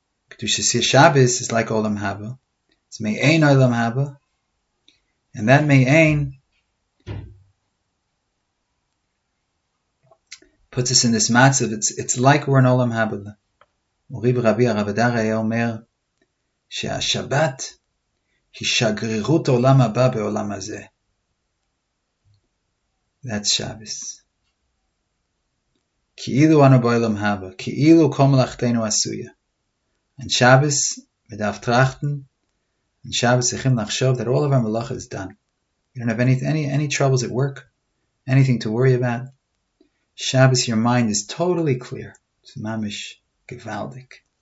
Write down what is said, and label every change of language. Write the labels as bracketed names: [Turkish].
[English] Kedushas Shabbos is like Olam Haba. It's מעין Olam Haba. And that מעין puts us in this matzav. It's like we're in Olam Haba. [Hebrew] מורי ורבי הרב הדר היה אומר שהשבת כשגרירות עולם הבא בעולם הזה. [English] That's Shabbos. [Hebrew] כאילו אנו בעולם הבא, כאילו כל מלאכתנו עשויה. [English] And Shabbos, [Hebrew] מדף טרחתן, [English] and Shabbos [Hebrew] צריכים לחשוב [English] that all of our melacha is done. You don't have any troubles at work, anything to worry about. Shabbos, your mind is totally clear. It's mamish gewaldik.